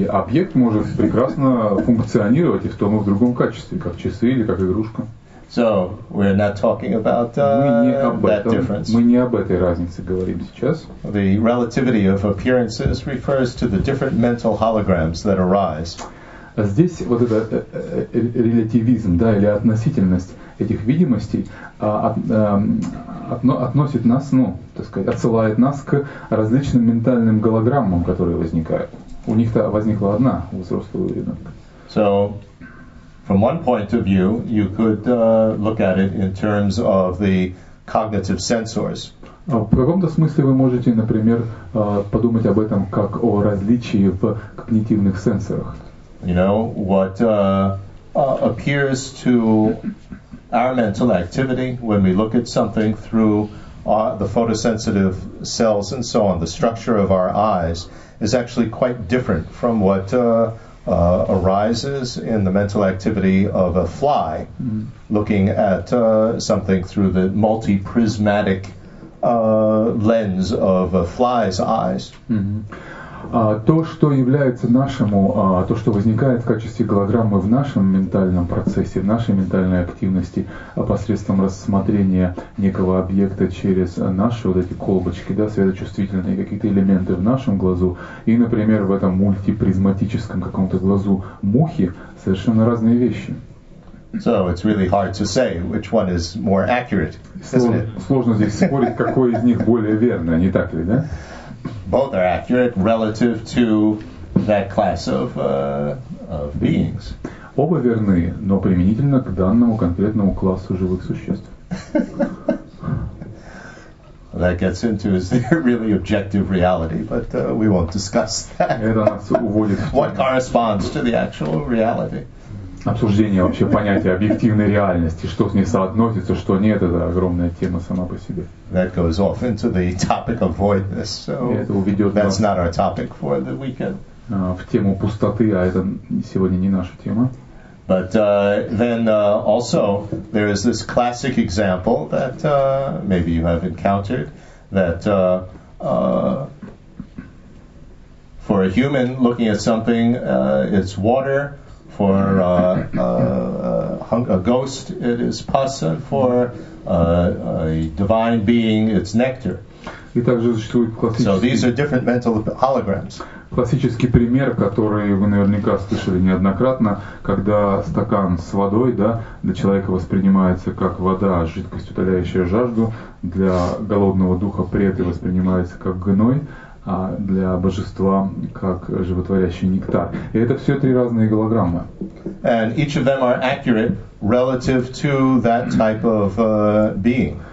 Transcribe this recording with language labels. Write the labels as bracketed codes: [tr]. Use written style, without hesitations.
[ru] И объект может прекрасно функционировать и в том, и в другом качестве, как часы или как игрушка. [en] So we're not talking about that difference. [ru] Мы не об этой разнице говорим сейчас. [en] The relativity of appearances refers to the different mental holograms that arise. [ru] Здесь вот этот релятивизм, да, или относительность этих видимостей относит нас, ну, так сказать, отсылает нас к различным ментальным голограммам, которые возникают. У них-то возникла одна у взрослого ребенка. [en] So from one point of view, you could look at it in terms of the cognitive sensors. [ru] В каком-то смысле вы можете, например, подумать об этом как о различии в когнитивных сенсорах. [en] You know, what appears to our mental activity when we look at something through the photosensitive cells and so on, the structure of our eyes, is actually quite different from what arises in the mental activity of a fly looking at something through the multi-prismatic lens of a fly's eyes. [ru] То, что является нашему, то, что возникает в качестве голограммы в нашем ментальном процессе, в нашей ментальной активности посредством рассмотрения некого объекта через наши вот эти колбочки, да, светочувствительные какие-то элементы в нашем глазу, и, например, в этом мультипризматическом каком-то глазу мухи, совершенно разные вещи. [en] So it's really hard to say which one is more accurate, isn't it? [ru] Сложно здесь спорить, какой из них более верный, не так ли, да? [en] Both are accurate relative to that class of beings. [ru] Оба верны, но применительно к данному конкретному классу живых существ. [en] That gets into is really objective reality, but we won't discuss that. [ru] Это нас уводит. [en] What corresponds to the actual reality? [ru] Обсуждение вообще понятия объективной реальности, что с ней соотносится, что нет, это огромная тема сама по себе. [en] That goes off into the topic of voidness, so that's not our topic for the weekend. [ru] В тему пустоты, а это сегодня не наша тема. [en] But then also there is this classic example that maybe you have encountered, that for a human looking at something, it's water. For a ghost, it is pus. For a divine being, it's nectar. [ru] И также существует классический. [en] So these are different mental holograms. [ru] Классический пример, который вы наверняка слышали неоднократно, когда стакан с водой, да, для человека воспринимается как вода, жидкость, утоляющая жажду, для голодного духа преты воспринимается как гной. Для божества как животворящий нектар. И это все три разные голограммы. [en] And each of them are accurate relative to that type of being.